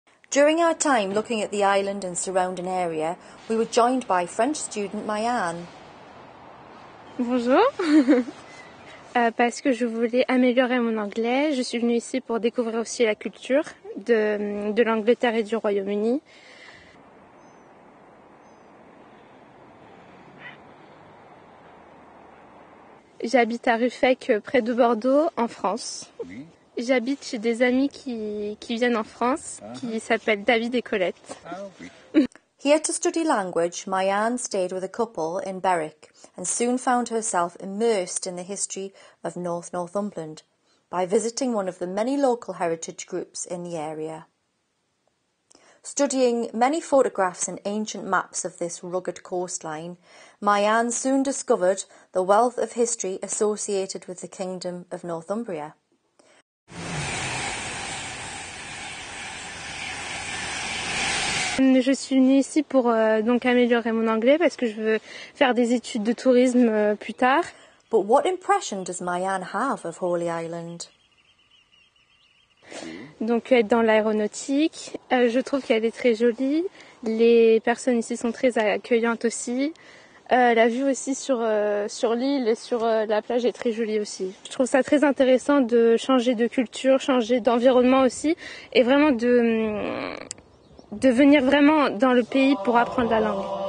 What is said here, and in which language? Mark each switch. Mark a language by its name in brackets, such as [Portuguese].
[English] During our time looking at the island and surrounding area, we were joined by French student Mayanne. [French] Bonjour. Parce que je voulais améliorer mon anglais, je suis venue ici pour découvrir aussi la culture de l'Angleterre et du Royaume-Uni. J'habite à Ruffec, près de Bordeaux, en France. Oui. J'habite chez des amis qui viennent en France, qui s'appellent David et Colette. Ah, oui. [English] Here to study language, Mayanne stayed with a couple in Berwick, and soon found herself immersed in the history of North Northumberland by visiting one of the many local heritage groups in the area. Studying many photographs and ancient maps of this rugged coastline, Mayanne soon discovered the wealth of history associated with the Kingdom of Northumbria. [French] Je suis venue ici pour donc améliorer mon anglais parce que je veux faire des études de tourisme plus tard. [English] But what impression does Mayanne have of Holy Island? [French] Donc être dans l'aéronautique, je trouve qu'elle est très jolie. Les personnes ici sont très accueillantes aussi. La vue aussi sur l'île et sur la plage est très jolie aussi. Je trouve ça très intéressant de changer de culture, changer d'environnement aussi et vraiment de venir vraiment dans le pays pour apprendre la langue.